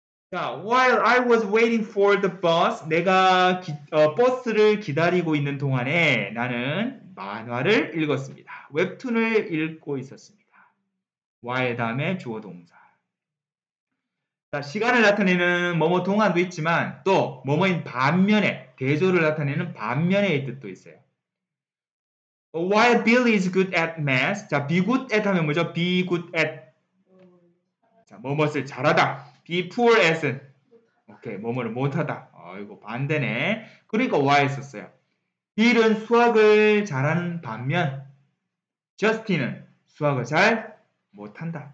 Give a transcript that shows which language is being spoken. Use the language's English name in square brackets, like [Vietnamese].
[Korean] 자, [English] while I was waiting for the bus, [Korean] 내가 버스를 기다리고 있는 동안에 나는 만화를 읽었습니다. 웹툰을 읽고 있었습니다. while 다음에 주어 동사. 자, 시간을 나타내는 뭐뭐 동안도 있지만 또 뭐뭐인 반면에 대조를 나타내는 반면의 뜻도 있어요. [English] While Bill is good at math. [Korean] 자, be good at 하면 뭐죠? be good at. 자, 뭐뭐를 잘하다. be poor at은. 오케이. 뭐뭐를 못하다. 이거 반대네. 그러니까 why 썼어요. Bill은 수학을 잘하는 반면 Justin은 수학을 잘 못한다.